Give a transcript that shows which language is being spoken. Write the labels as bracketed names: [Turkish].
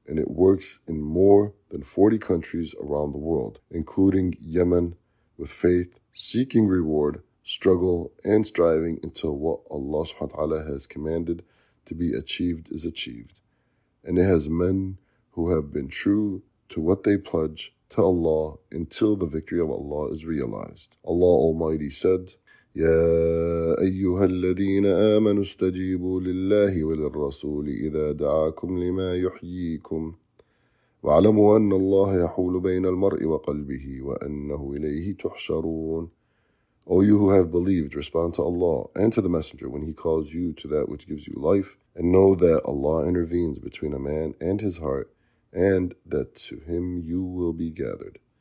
[English] and it works in more than 40 countries around the world, including Yemen, with faith, seeking reward, struggle, and striving until what Allah subhanahu wa ta'ala has commanded to be achieved is achieved. And it has men who have been true to what they pledge to Allah until the victory of Allah is realized. Allah Almighty said, [Arabic] يَا أَيُّهَا الَّذِينَ آمَنُوا اسْتَجِيبُوا لِلَّهِ وَلِلرَّسُولِ إِذَا دَعَاكُمْ لِمَا يُحْيِيكُمْ وَاعْلَمُوا أَنَّ اللَّهَ يَحُولُ بَيْنَ الْمَرْءِ وَقَلْبِهِ وَأَنَّهُ إِلَيْهِ تُحْشَرُونَ. [English] O you who have believed, respond to Allah and to the Messenger when he calls you to that which gives you life, and know that Allah intervenes between a man and his heart, and that to him you will be gathered.